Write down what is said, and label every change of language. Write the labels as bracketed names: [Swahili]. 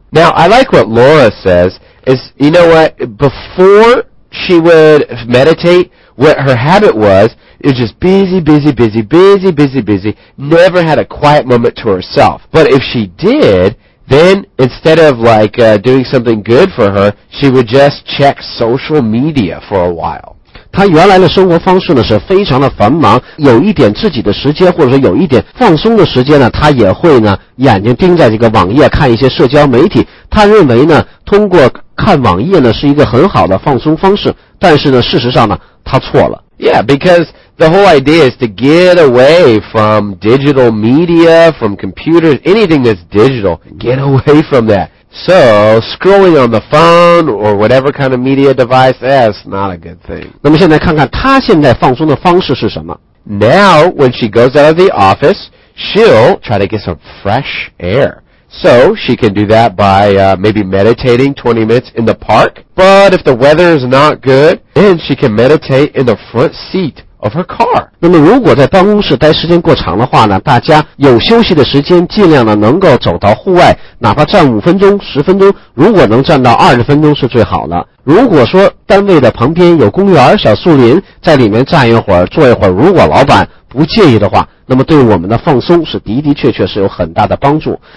[English] Now, I like what Laura says, is, you know what, before she would meditate, what her habit was, is just busy, busy, busy, busy, busy, busy, never had a quiet moment to herself. But if she did... Then, instead of, like, doing something good for her, she would just check social media for a while. [Chinese] 她原来的生活方式呢是非常的繁忙有一点自己的时间或者说有一点放松的时间呢她也会呢眼睛盯在这个网页看一些社交媒体她认为呢通过看网页呢是一个很好的放松方式但是呢事实上呢她错了 [English] Yeah, because the whole idea is to get away from digital media, from computers, anything that's digital. Get away from that. So, scrolling on the phone or whatever kind of media device, that's not a good thing. [Chinese] 那么现在看看她现在放松的方式是什么。 [English] Now, when she goes out of the office, she'll try to get some fresh air. So, she can do that by maybe meditating 20 minutes in the park. But if the weather is not good, then she can meditate in the front seat of her car. [Chinese] 那么如果在办公室待时间过长的话呢，大家有休息的时间尽量的能够走到户外，哪怕站5分钟、10分钟，如果能站到20分钟是最好的。如果说单位的旁边有公园、小树林，在里面站一会儿、坐一会儿，如果老板不介意的话，那么对我们的放松是的的确确是有很大的帮助。